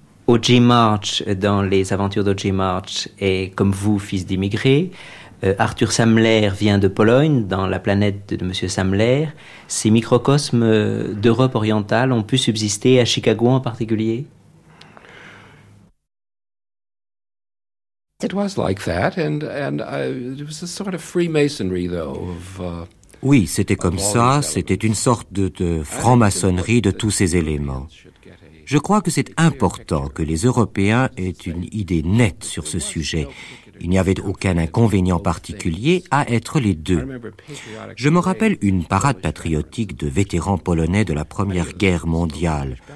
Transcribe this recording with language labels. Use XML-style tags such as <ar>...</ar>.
<fr>O.J. March, dans Les aventures d'O.J. March, est, comme vous, fils d'immigré. Arthur Samler vient de Pologne, dans La planète de M. Samler. Ces microcosmes d'Europe orientale ont pu subsister à Chicago en particulier?</fr> <en>It was like that, and it was a sort of Freemasonry, though, of...</en> <fr>Oui, c'était comme ça, c'était une sorte de franc-maçonnerie de tous ces éléments. Je crois que c'est important que les Européens aient une idée nette sur ce sujet. Il n'y avait aucun inconvénient particulier à être les deux. Je me rappelle une parade patriotique de vétérans polonais de la Première Guerre mondiale.</fr>